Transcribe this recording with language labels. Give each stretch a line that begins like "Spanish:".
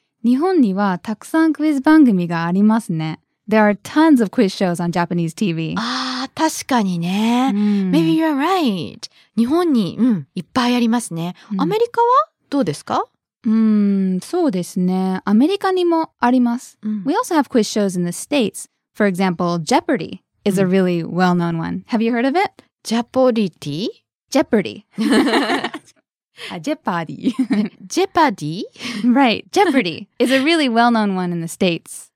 Japanese: 日本にはたくさんクイズ番組がありますね。
English: There are tons of quiz shows on Japanese TV.
Japanese: ああ、確かにね。
English: Maybe you're right.
Japanese: 日本に、いっぱいありますね。アメリカはどうですか？そうですね。アメリカにもあります。
English: We also have quiz shows in the States. For example, Jeopardy is a really well-known one. Have you heard of it? Jeopardy? Jeopardy. Jeopardy. Jeopardy? Right. Jeopardy is a really well-known one in the States.